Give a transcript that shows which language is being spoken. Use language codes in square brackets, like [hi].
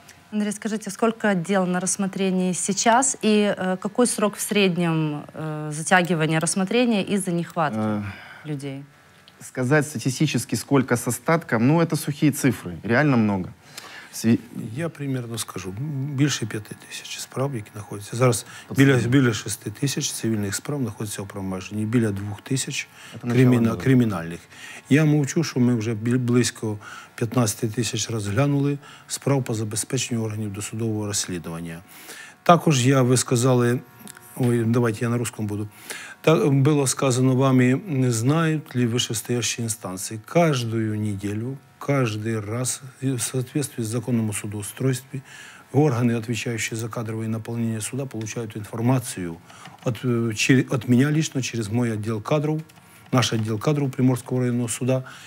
[ru] Андрей, скажите, сколько дел на рассмотрении сейчас и какой срок в среднем затягивания рассмотрения из-за нехватки людей? Сказать статистически, сколько с остатком, ну, это сухие цифры, реально много. Я примерно скажу, больше 5 тысяч [uk] справ, які [ru] находятся. [uk] Зараз біля 6 тисяч цивільних справ знаходиться у правомаженні, біля 2 тисяч кримінальних. Я мовчу, що ми вже близько 15 тисяч розглянули справ по забезпеченню органів досудового розслідування. Також я, ви сказали, ой, [ru] давайте я на русском буду. [uk] Так було сказано вами, не знають ли вищестоящі інстанції. [ru] Каждую неділю, каждый раз в соответствии с законом о судоустройстве органы, отвечающие за кадровое наполнение суда, получают информацию от меня лично через мой отдел кадров, наш отдел кадров Приморского районного суда.